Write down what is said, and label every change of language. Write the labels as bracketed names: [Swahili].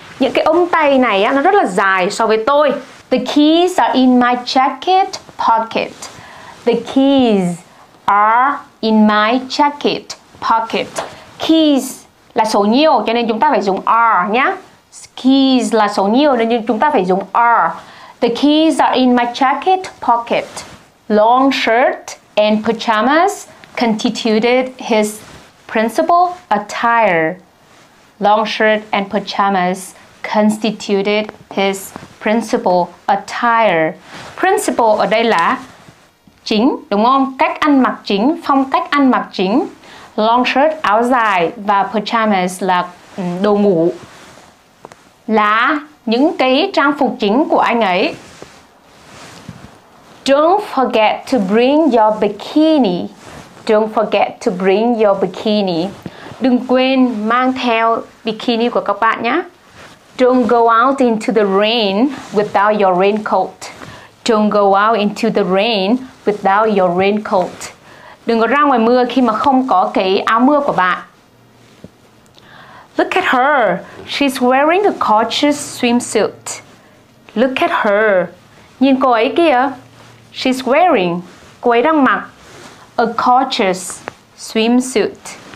[Vietnamese] Những cái ống tay này á, nó rất là dài so với tôi. [English] The keys are in my jacket pocket. The keys are in my jacket pocket. [Vietnamese] Keys là số nhiều, cho nên chúng ta phải dùng are nhá. Keys là số nhiều nên chúng ta phải dùng are. [English] The keys are in my jacket pocket. Long shirt and pajamas constituted his principal attire. Long shirt and pajamas constituted his principal attire. [Vietnamese] Principal ở đây là chính, đúng không? Cách ăn mặc chính, phong cách ăn mặc chính. Long shirt, áo dài, và pajamas là đồ ngủ, là những cái trang phục chính của anh ấy. [English] Don't forget to bring your bikini. Don't forget to bring your bikini. [Vietnamese] Đừng quên mang theo bikini của các bạn nhé. [English] Don't go out into the rain without your raincoat. Don't go out into the rain without your raincoat. [Vietnamese] Đừng có ra ngoài mưa khi mà không có cái áo mưa của bạn. [English] Look at her. She's wearing a gorgeous swimsuit. Look at her. [Vietnamese] Nhìn cô ấy kìa. [English] She's wearing. [Vietnamese] Cô ấy đang mặc [English] a gorgeous swimsuit.